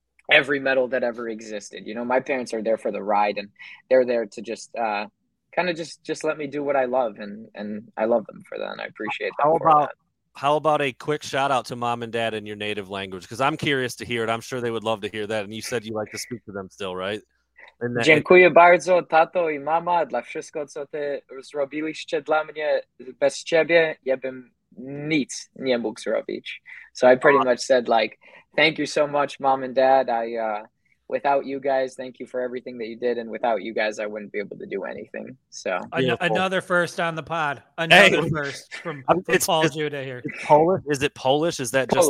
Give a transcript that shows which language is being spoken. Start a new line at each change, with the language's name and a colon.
English: every medal that ever existed. You know, my parents are there for the ride, and they're there to just kind of just let me do what I love, and I love them for that, and I appreciate them. How about a quick shout out to mom and dad in your native language? Because I'm curious to hear it. I'm sure they would love to hear that. And you said you like to speak to them still, right?
Polish: Dziękuję bardzo, tato i mama, dla wszystko, co ty zrobiliście dla mnie. Bez ciebie, ja bym nic nie mógł zrobić.
English: So I pretty much said, like, thank you so much, mom and dad. Without you guys, thank you for everything that you did. And without you guys, I wouldn't be able to do anything. So another first on the pod. First from Paul Judah here. It's Polish. Is it Polish? Is that just